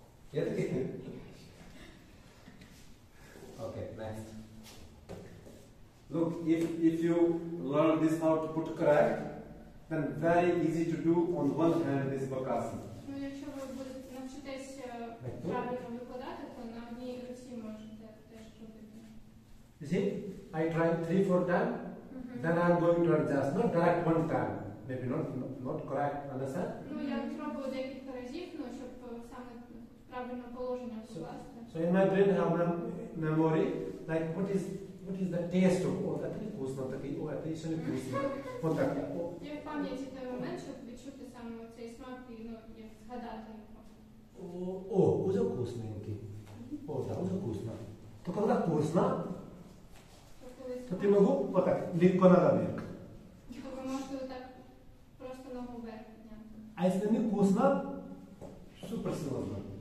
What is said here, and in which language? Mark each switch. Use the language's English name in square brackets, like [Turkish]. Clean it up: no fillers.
[English] Yes? Okay, next. Look, if you learn this how to put correct, then very easy to do on one hand this bakasana. [Ukrainian] Ну, якщо ви будете навчитесь правильно викладати, то на одній руці можете теж зробити. [English] See, I try 3-4 times, then I'm going to adjust, not direct one time. Maybe not correct, understand? [Ukrainian] Ну, я пробую декілька разів, ну, щоб саме правильне положення вкласти. [English] So in my brain I have memory, like what is the taste of all that? [Ukrainian] Вкусно такий, о, це ще не вкусно. Вот так. Я в пам'яті той момент, щоб відчути саме цей смак і, ну, згадати його. О, уже вкусненький. О, так, уже вкусно. То коли вкусно, то ти можу отак легко на ногу. Я можу отак просто ногу вверх. А якщо не вкусно, супер сильно.